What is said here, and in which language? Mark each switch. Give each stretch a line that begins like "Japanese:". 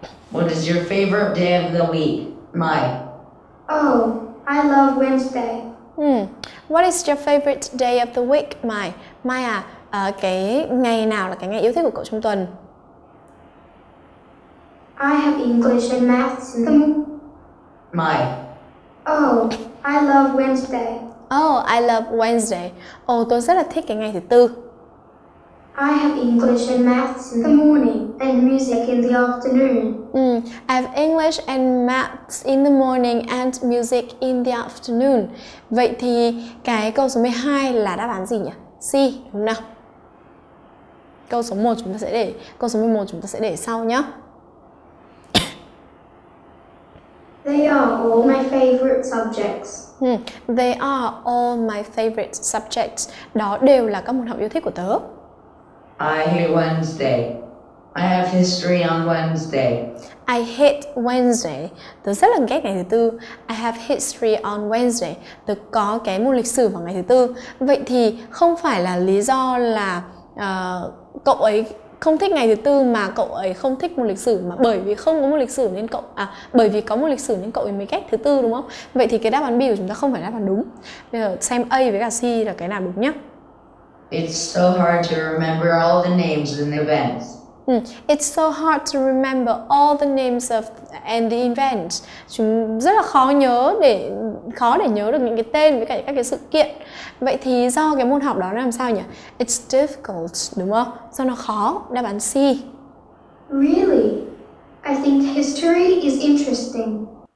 English: What is your favorite day of the week, Mai? Oh, I love Wednesday. What is your favorite day of the week, Mai?
Vietnamese: Mai à, cái ngày nào là cái ngày yêu thích của cậu trong tuần?
English: I have English and maths in the Mai. Oh, I love Wednesday. Oh, I love Wednesday.
Vietnamese: Oh, tôi rất là thích cái ngày thứ tư.
English: I have English and maths in the morning and music in the afternoon. I have English and maths in the morning and music in the afternoon.
Vietnamese: Vậy thì cái câu số 12 là đáp án gì nhỉ? C, đúng nào? Câu số 1 chúng ta sẽ để, câu số 11 chúng ta sẽ để sau nhé.
English: They are all my favorite subjects. They are all my favorite subjects.
Vietnamese: Đó đều là các môn học yêu thích của tớ.
English: I hate Wednesday. I have history on Wednesday. I hate Wednesday.
Vietnamese: Tớ rất là ghét ngày thứ tư.
English: I have history on Wednesday.
Vietnamese: Tớ có cái môn lịch sử vào ngày thứ tư. Vậy thì không phải là lý do là cậu ấy không thích ngày thứ tư mà cậu ấy không thích môn lịch sử, mà bởi vì không có môn lịch sử nên cậu bởi vì có môn lịch sử nên cậu ấy mới ghét thứ tư, đúng không? Vậy thì cái đáp án B của chúng ta không phải đáp án đúng. Bây giờ xem A với cả C là cái nào đúng nhá.
English: It's so hard to remember all the names and events. It's so hard to remember all the names of and the events.
Vietnamese: Chúng rất là khó để nhớ được những cái tên với cả các cái sự kiện. Vậy thì do cái môn học đó nó làm sao nhỉ?
English: It's difficult,
Vietnamese: đúng không? Do nó khó, đáp án C.
English: Really? I think history is interesting.